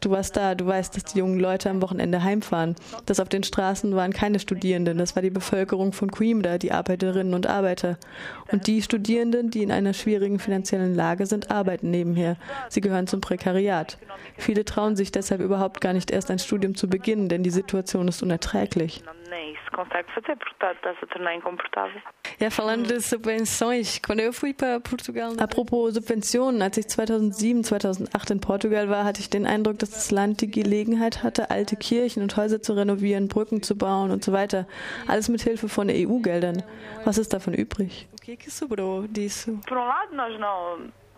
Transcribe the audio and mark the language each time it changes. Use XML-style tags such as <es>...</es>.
<de>Du warst da, du weißt, dass die jungen Leute am Wochenende heimfahren. Das auf den Straßen waren keine Studierenden, das war die Bevölkerung von Coimbra, die Arbeiterinnen und Arbeiter. Und die Studierenden, die in einer schwierigen finanziellen Lage sind, arbeiten nebenher. Sie gehören zum Prekariat. Viele trauen sich deshalb überhaupt gar nicht erst ein Studium zu beginnen, denn die Situation ist unerträglich.</de> <pt>nem isso consegue fazer, portanto está-se a tornar incomportável. Ja, falando de subvenções, quando eu fui para Portugal...</pt> <de>Apropos subvenções, als ich 2007, 2008 in Portugal war, hatte ich den Eindruck, dass das Land die Gelegenheit hatte, alte Kirchen und Häuser zu renovieren, Brücken zu bauen und so weiter. Alles mit Hilfe von EU-Geldern. Was ist davon übrig?</de> <pt>O que é que sobrou disso? Por lado, nós não...</pt>